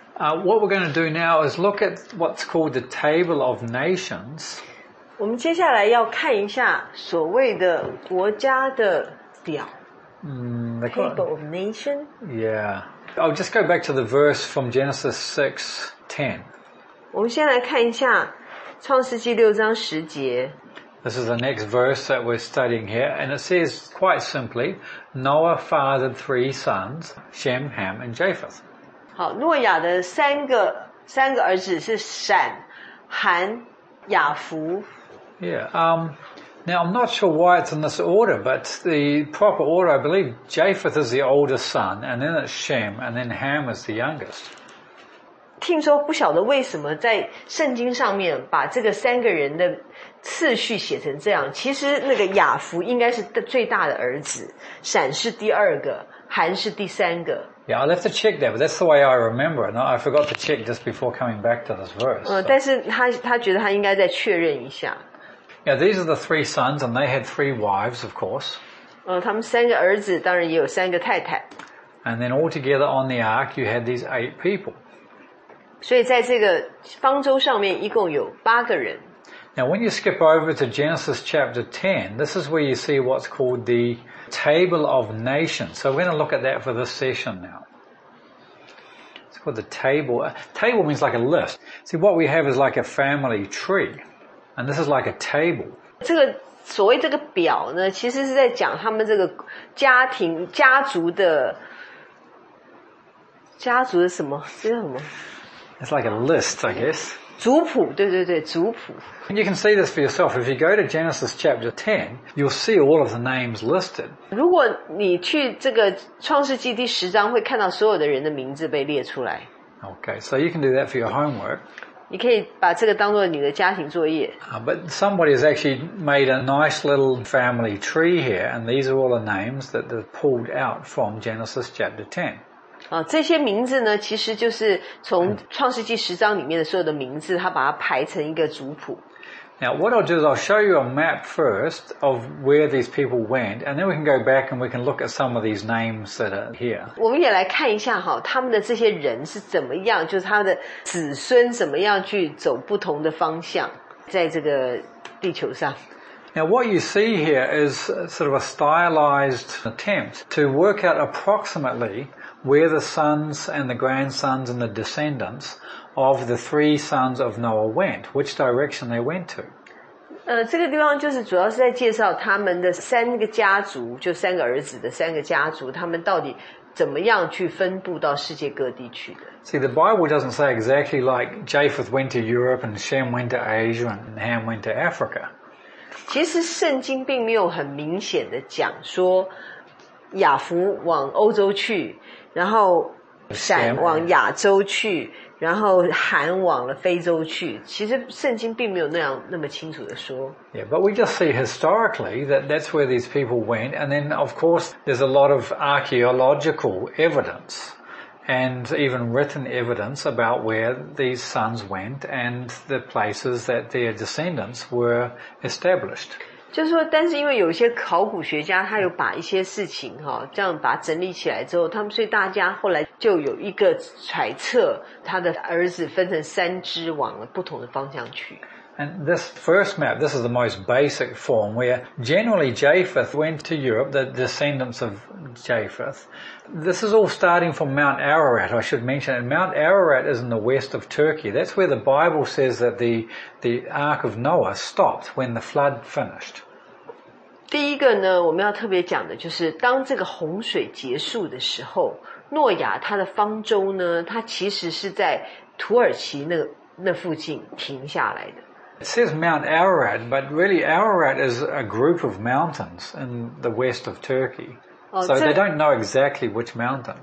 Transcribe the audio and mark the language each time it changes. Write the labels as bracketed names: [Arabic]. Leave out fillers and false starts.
[English] What we're going to do now is look at what's called the Table of Nations. [Chinese] 我们接下来要看一下所谓的国家的表。 [English] Table of Nations. Yeah. I'll just go back to the verse from Genesis 6:10. [Chinese] 我们先来看一下创世纪六章十节。 [English] This is the next verse that we're studying here, and it says quite simply, Noah fathered three sons, Shem, Ham, and Japheth. [Chinese] 好，诺亚的三个儿子是闪、韩、雅弗。 [English] Yeah. Now I'm not sure why it's in this order, but the proper order, I believe, Japheth is the oldest son, and then it's Shem, and then Ham is the youngest. [Chinese] 听说不晓得为什么在圣经上面把这个三个人的次序写成这样。其实那个雅弗应该是最大的儿子，闪是第二个，韩是第三个。 [English] Yeah, I'll have to check that, but that's the way I remember it. I forgot to check just before coming back to this verse. [Chinese] 但是他觉得他应该再确认一下。 [English] Yeah, these are the three sons, and they had three wives, of course. [Chinese] 他们三个儿子当然也有三个太太。 [English] And then altogether on the ark, you had these eight people. [Chinese] 所以在这个方舟上面一共有八个人。 [English] Now, when you skip over to Genesis chapter 10, this is where you see what's called the Table of Nations. So we're going to look at that for this session now. It's called the Table. Table means like a list. See, what we have is like a family tree. And this is like a table. [Chinese] 这个所谓这个表呢，其实是在讲他们这个家庭、家族的，家族的什么？这叫什么？ [English] It's like a list, I guess. [Chinese] 族谱，对对对，族谱。 [English] You can see this for yourself. If you go to Genesis chapter 10, you'll see all of the names listed. [Chinese] 如果你去这个创世纪第十章，会看到所有的人的名字被列出来。 [English] Okay, so you can do that for your homework. [Chinese] 你可以把这个当作你的家庭作业。 [English] But somebody has actually made a nice little family tree here, and these are all the names that they've pulled out from Genesis chapter 10. [Chinese] 这些名字呢，其实就是从创世纪十章里面的所有的名字，他把它排成一个族谱。 [English] Now, what I'll do is I'll show you a map first of where these people went, and then we can go back and we can look at some of these names that are here. [Chinese] 我们也来看一下哈，他们的这些人是怎么样，就是他的子孙怎么样去走不同的方向，在这个地球上。 [English] Now what you see here is sort of a stylized attempt to work out approximately where the sons and the grandsons and the descendants of the three sons of Noah went, which direction they went to. [Chinese] 这个地方就是主要是在介绍他们的三个家族，就三个儿子的三个家族，他们到底怎么样去分布到世界各地去的。 [English] See, the Bible doesn't say exactly like Japheth went to Europe and Shem went to Asia and Ham went to Africa. [Chinese] 其实圣经并没有很明显的讲说雅弗往欧洲去，然后闪往亚洲去，然后韩往了非洲去。其实圣经并没有那么清楚的说。 [English] Yeah, but we just see historically that that's where these people went, and then of course there's a lot of archaeological evidence and even written evidence about where these sons went and the places that their descendants were established. [Chinese] 就是说，但是因为有些考古学家他有把一些事情哈，这样把它整理起来之后，他们所以大家后来就有一个揣测，他的儿子分成三支往了不同的方向去。 [English] And this first map, this is the most basic form, where generally Japheth went to Europe, the descendants of Japheth. This is all starting from Mount Ararat, I should mention. And Mount Ararat is in the west of Turkey. That's where the Bible says that the Ark of Noah stopped when the flood finished. [Chinese] 第一个呢，我们要特别讲的就是当这个洪水结束的时候，诺亚他的方舟呢，他其实是在土耳其那附近停下来的。 [English] It says Mount Ararat, but really Ararat is a group of mountains in the west of Turkey. So they don't know exactly which mountain.